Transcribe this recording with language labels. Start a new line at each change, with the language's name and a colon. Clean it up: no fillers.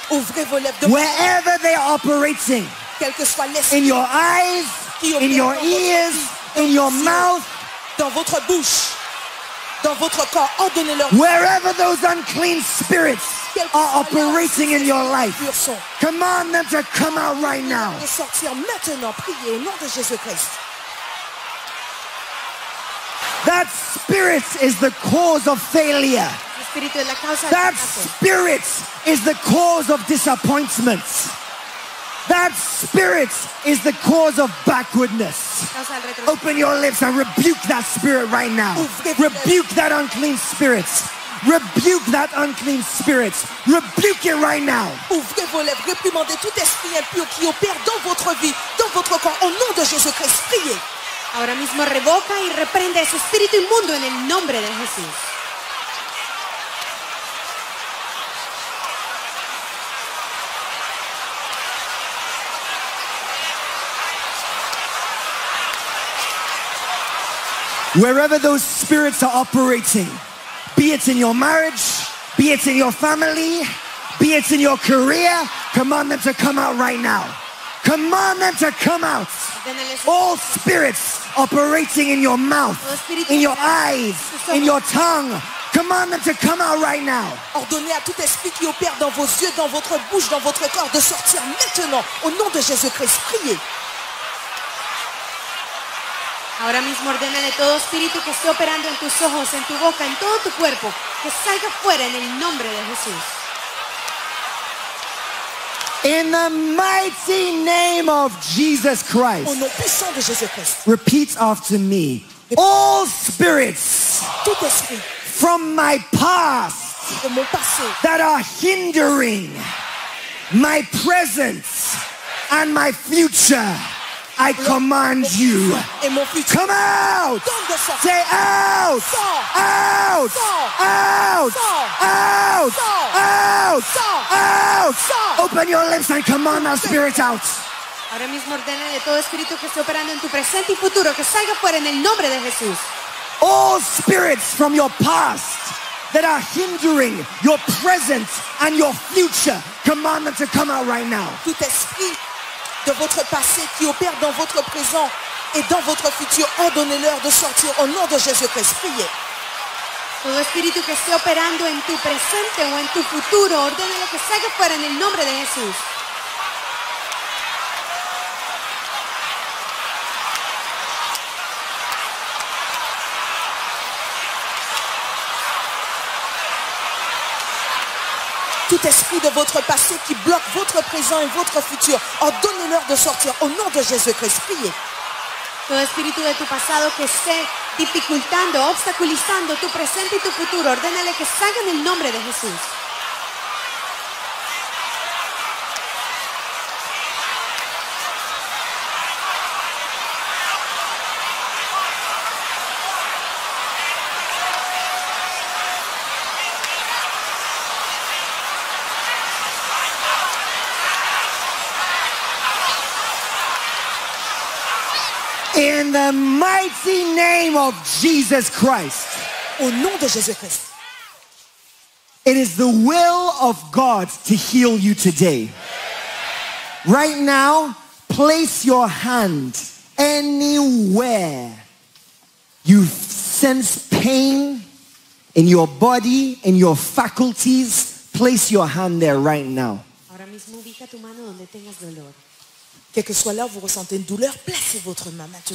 English: Wherever they are operating. In your eyes. In your ears. In your mouth.
French: Dans votre bouche. Dans votre corps, ordonnez-leur.
English: Wherever those unclean spirits are operating in your life, command them to come out right now.
French: De sortir maintenant, priez au nom de Jésus Christ.
English: That spirit is the cause of failure. That spirit is the cause of disappointment. That spirit is the cause of backwardness. Open your lips and rebuke that spirit right now. Rebuke that unclean spirit. Rebuke that unclean spirit. Rebuke it right now.
French: Ouvrez vos lèvres, réprimandez tout esprit impur qui opère dans votre vie, dans votre corps, au nom de Jésus Christ. Priez.
Spanish: Ahora mismo revoca y reprende ese espíritu inmundo en el nombre de Jesús.
English: Wherever those spirits are operating, be it in your marriage, be it in your family, be it in your career, command them to come out right now. Command them to come out. All spirits operating in your mouth, in your eyes, in your tongue, command them to come out right now.
French: Ordonnez à tout esprit qui opère dans vos yeux, dans votre bouche, dans votre corps de sortir maintenant. Au nom de Jésus Christ, priez.
Spanish: Ahora mismo ordena de todo espíritu que esté operando en tus ojos, en tu boca, en todo tu cuerpo, que salga fuera en el nombre de Jesús.
English: In the mighty name of Jesus Christ.
Spanish: En el
French: puissant de Jesus Christ.
English: Repeat after me. All spirits.
French: Tout esprit.
English: From my past.
French: De mon passé.
English: That are hindering my presence and my future. I command you, come out! Say out! Out! Out! Out! Out! Out! Open your lips and command that spirit out.
Spanish: Ahora mismo ordena de todo espíritu que esté operando en tu presente y futuro que salga fuera en el nombre de Jesús.
English: All spirits from your past that are hindering your present and your future, command them to come out right now.
French: Tout esprit de votre passé qui opère dans votre présent et dans votre futur, ordonnez-leur de sortir au nom de Jésus-Christ. Priez.
Spanish: Todo espíritu que esté operando en tu presente o en tu futuro, ordénelo que salga fuera en el nombre de Jesús.
French: Tout esprit de votre passé qui bloque votre présent et votre futur, ordonnez-leur de sortir au nom de Jésus-Christ. Priez.
Spanish: Todo espíritu de tu pasado que esté dificultando, obstaculizando tu presente y tu futuro, ordénale que salga en el nombre de Jesús.
English: In the mighty name of Jesus Christ.
French: Au nom de Jésus Christ.
English: It is the will of God to heal you today. Right now, place your hand anywhere you sense pain in your body, in your faculties. Place your hand there right now.
Spanish: Ahora mismo ubica tu mano donde tengas dolor.
French: Quel que soit l'heure, vous ressentez une douleur, placez votre main maintenant.